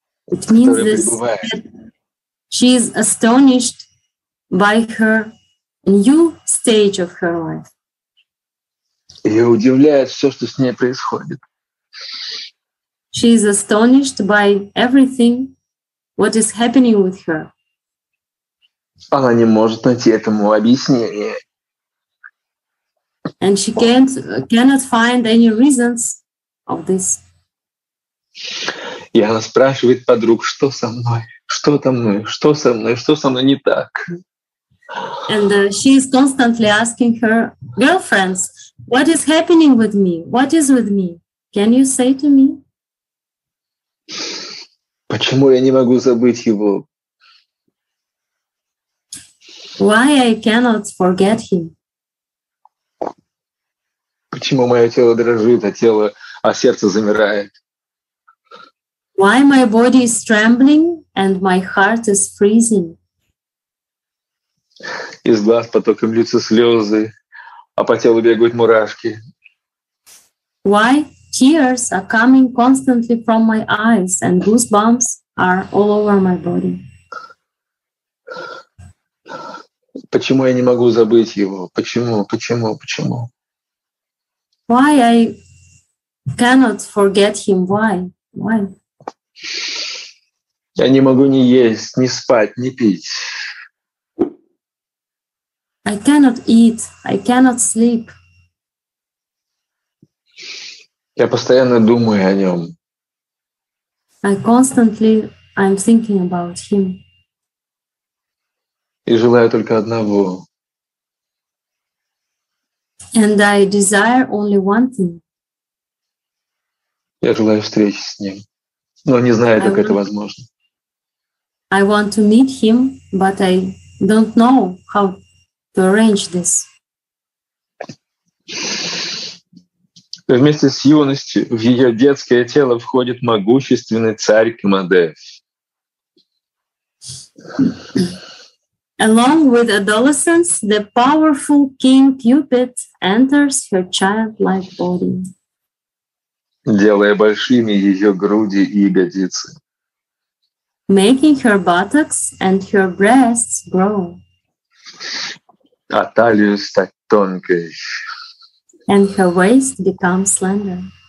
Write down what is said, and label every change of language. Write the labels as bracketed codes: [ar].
[en] It means this, that she is astonished by her new stage of her life. [ru] Ее удивляет все, что с ней происходит. [en] She is astonished by everything what is happening with her. [ru] Она не может найти этому объяснение. [en] And she cannot find any reasons of this. [ru] И она спрашивает подруг, что со мной, что там, что со мной, что со мной не так. [en] And she is constantly asking her girlfriends, what is happening with me? What is with me? Can you say to me? [ru] Почему я не могу забыть его? [en] Why I cannot forget him? [ru] Почему мое тело дрожит, а сердце замирает? [en] Why my body is trembling and my heart is freezing? [ru] Из глаз потоком льются слезы, а по телу бегают мурашки. [en] Why tears are coming constantly from my eyes and goosebumps are all over my body? [ru] Почему я не могу забыть его? Почему? Почему? Почему? [en] Why I cannot forget him? Why? Why? [ru] Я не могу ни есть, ни спать, ни пить. [en] I cannot eat, I cannot sleep. [ru] Я постоянно думаю о нем. [en] I constantly I'm thinking about him. [ru] И желаю только одного. [en] And I desire only one thing. [ru] Я желаю встречи с ним, но не знаю, как это возможно. [en] I want to meet him, but I don't know how to arrange this. [ru] Вместе с юностью в ее детское тело входит могущественный царь Камадев. [en] Along with adolescence, the powerful king Cupid enters her childlike body. [ru] Делая большими ее груди и ягодицы. [en] Making her buttocks and her breasts grow. [ru] А талию стать тонкой. [en] And her waist becomes slender.